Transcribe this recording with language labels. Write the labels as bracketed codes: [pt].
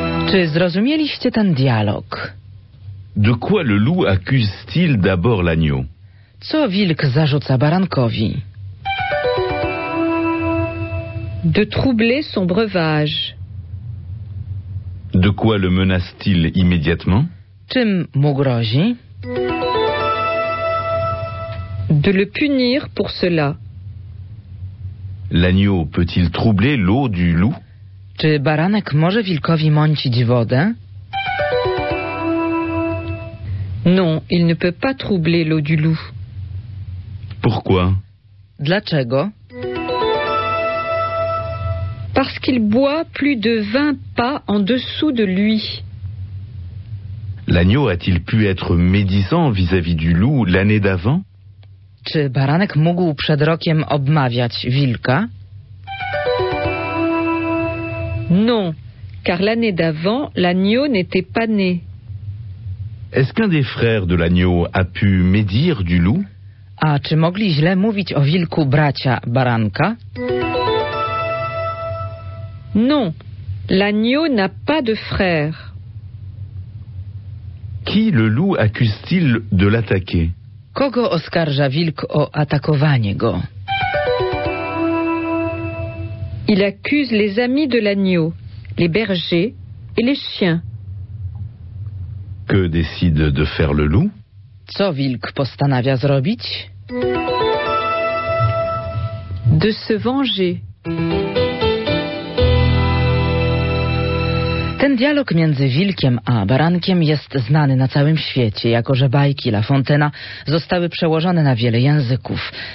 [pl] Czy zrozumieliście ten dialog? [fr] De quoi le loup accuse-t-il d'abord l'agneau? [pl] Co wilk zarzuca barankowi? [fr] De troubler son breuvage. De quoi le menace-t-il immédiatement? [pl] Czym mu grozi? [fr] De le punir pour cela. L'agneau peut-il troubler l'eau du loup? [pl] Czy baranek może wilkowi mącić wodę? [fr] Non, il ne peut pas troubler l'eau du loup. Pourquoi? [pl] Dlaczego? [fr] Parce qu'il boit plus de 20 pas en dessous de lui. L'agneau a-t-il pu être médisant vis-à-vis du loup l'année d'avant? [pl] Czy baranek mógł przed rokiem obmawiać wilka? [fr] Non, car l'année d'avant, l'agneau n'était pas né. Est-ce qu'un des frères de l'agneau a pu médire du loup? [pl] A czy mogli źle mówić o wilku bracia baranka? [fr] Non, l'agneau n'a pas de frère. Qui le loup accuse-t-il de l'attaquer? [pl] Kogo oskarża wilk o atakowanie go? [fr] Il accuse les amis de l'agneau, les bergers et les chiens. Que décide de faire le loup? [pl] Co wilk postanawia zrobić? [fr] De se venger. [pl] Ten dialog między wilkiem a barankiem jest znany na całym świecie, jako że bajki La Fontaine'a zostały przełożone na wiele języków.